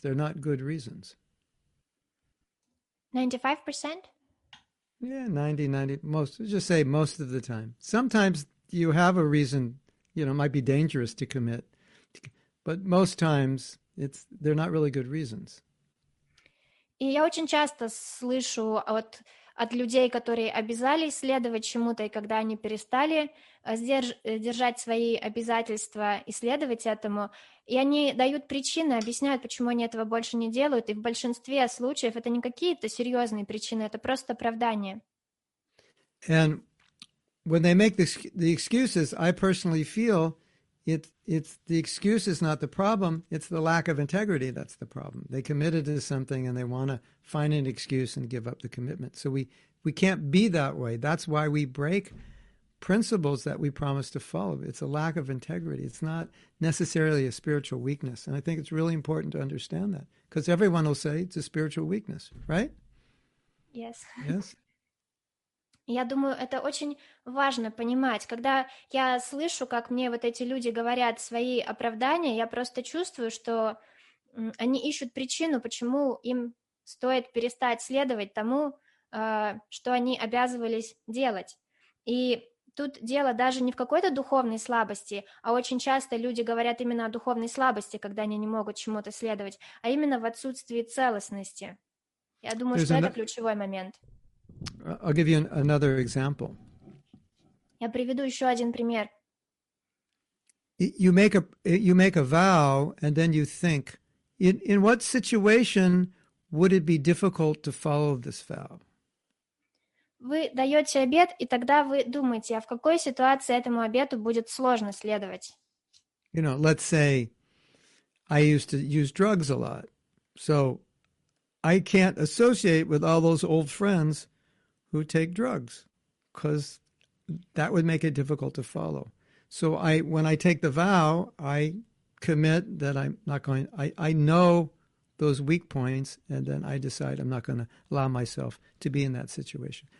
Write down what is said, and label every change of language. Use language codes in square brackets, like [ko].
[en] They're not good reasons. 95%? Yeah, 90%. Most of the time. Sometimes you have a reason, you know, it might be dangerous to commit. But most times, they're not really good reasons. [ru] И я очень часто слышу от людей, которые обязались следовать чему-то, и когда они перестали держать свои обязательства и следовать этому, и они дают причины, объясняют, почему они этого больше не делают, и в большинстве случаев это не какие-то серьезные причины, это просто оправдание. [en] And when they make the excuses, I personally feel it's the excuse is not the problem, it's the lack of integrity that's the problem. They committed to something and they want to find an excuse and give up the commitment. So we can't be that way. That's why we break principles that we promise to follow. It's a lack of integrity. It's not necessarily a spiritual weakness. And I think it's really important to understand that, because everyone will say it's a spiritual weakness, right? Yes. Yes. [ru] Я думаю, это очень важно понимать. Когда я слышу, как мне вот эти люди говорят свои оправдания, я просто чувствую, что они ищут причину, почему им стоит перестать следовать тому, что они обязывались делать. И тут дело даже не в какой-то духовной слабости, а очень часто люди говорят именно о духовной слабости, когда они не могут чему-то следовать, а именно в отсутствии целостности. Я думаю, что это ключевой момент. [en] I'll give you another example. [ru] Я приведу еще один пример. [en] You make a vow, and then you think, in what situation would it be difficult to follow this vow? [ru] Вы даете обет, и тогда вы думаете, а в какой ситуации этому обету будет сложно следовать? [en] You know, let's say I used to use drugs a lot, so I can't associate with all those old friends who take drugs, because that would make it difficult to follow. So when I take the vow, I commit that I'm not going, I know those weak points, and then I decide I'm not going to allow myself to be in that situation.